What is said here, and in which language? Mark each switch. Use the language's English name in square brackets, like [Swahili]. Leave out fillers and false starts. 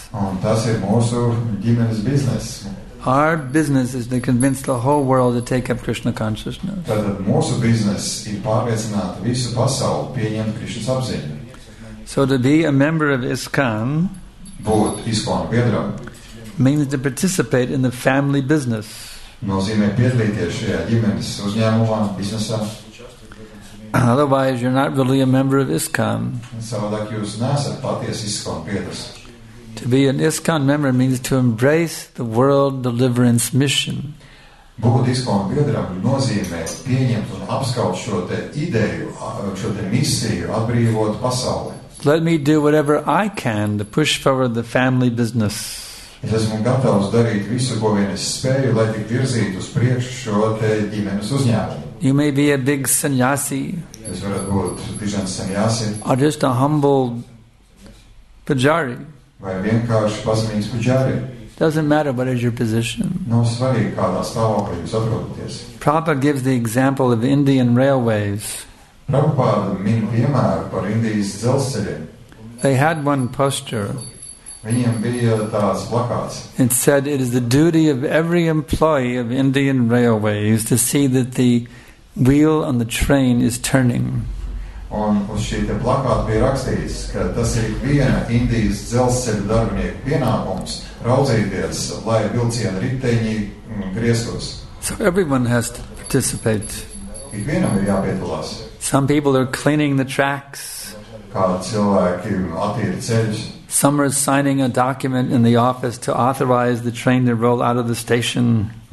[Latvian] Un tas ir mūsu ģimenes biznes. [English] Our business is to convince the whole world to take up Krishna consciousness. [Latvian] Tātad mūsu biznes ir pārliecināt visu pasauli pieņemt Krishna apziņu. [English] So to be a member of ISKCON [Latvian] būt ISKCON biedram [English] means to participate in the family business. [Latvian] Nozīmē piedalīties šajā ģimenes uzņēmumā, biznesā. [English] Otherwise, you're not really a member of ISKCON. [Latvian] Savādāk jūs nesat paties ISKCON biedrs. [English] To be an ISKCON member means to embrace the world deliverance mission. [Latvian] Būt ISKCON biedram nozīmē pieņemt un apskaut šo te ideju, šo te misiju, atbrīvot pasauli. [English] Let me do whatever I can to push forward the family business. [Latvian] Es esmu gatavs darīt visu, ko vien es spēju, lai tik virzītu uz priekšu šo te ģimenes uzņēmumu. [English] You may be a big sannyasi. [Latvian] Es varētu būt dižens sannyasi. [English] Or just a humble pujari. [Latvian] Vai vienkārši pazemīgs pujari. [English] Doesn't matter what is your position. [Latvian] Nav svarīgi, kādā stāvoklī jūs atrodaties. [English] Prabhupāda gives the example of Indian railways. [Latvian] Prabhupāda min piemēru par Indijas dzelzceļiem. [English] They had one poster. [Latvian] Viņiem bija tāds plakāts. [English] It said it is the duty of every employee of Indian Railways to see that the wheel on the train is turning. [Latvian] Un uz šī te plakāta bija rakstīts, ka tas ir viena Indijas dzelzceļa darbinieku pienākums raudzīties, lai vilciena riteņi griezos. [English] So everyone has to participate. [Latvian] Ikvienam ir jāpiedalās. [English] Some people are cleaning the tracks. [Latvian] Kādi cilvēki attīra ceļus. [English] Some are signing a document in the office to authorize the train to roll out of the station.